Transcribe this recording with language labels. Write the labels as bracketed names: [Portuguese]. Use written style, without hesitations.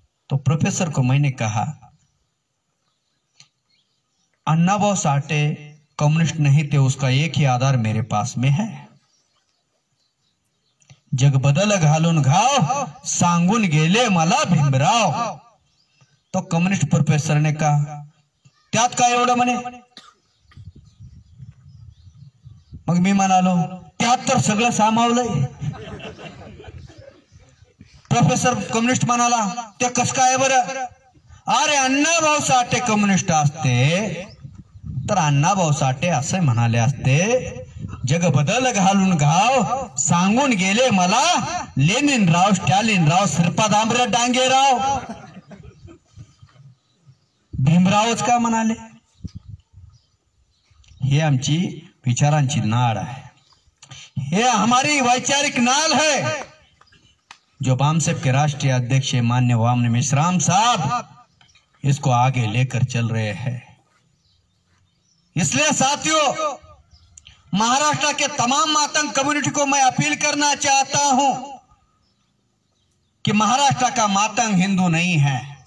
[Hindi] तो प्रोफेसर को मैंने कहा अन्नाभाऊ साठे कम्युनिस्ट नहीं थे, उसका एक ही आधार मेरे पास में है, [Marathi] जग बदल घालून घाव सांगून गेले मला भीमराव। [Hindi] तो कम्युनिस्ट प्रोफेसर ने कहा [Marathi] त्यात काय एवढं म्हणे? मग मी म्हणालो त्यात तर सगळं सामावलंय। प्रोफेसर कम्युनिस्ट म्हणाला ते कस काय बरं? अरे अण्णाभाऊ साठे कम्युनिस्ट असते तर अण्णाभाऊ साठे असे म्हणाले असते, जग बदल घालून घाव सांगून गेले मला लेनिन राव स्टॅलिन राव श्रीपाद आमरे डांगे राव, भीमरावच का म्हणाले? ही आमची विचारांची नाड आहे, [Hindi] हे हमारी वैचारिक नाल है, जो बामसेब के राष्ट्रीय अध्यक्ष मान्य वामन मिश्राम साहब इसको आगे लेकर चल रहे हैं। इसलिए साथियों, महाराष्ट्र के तमाम मातंग कम्युनिटी को मैं अपील करना चाहता हूं कि महाराष्ट्र का मातंग हिंदू नहीं है।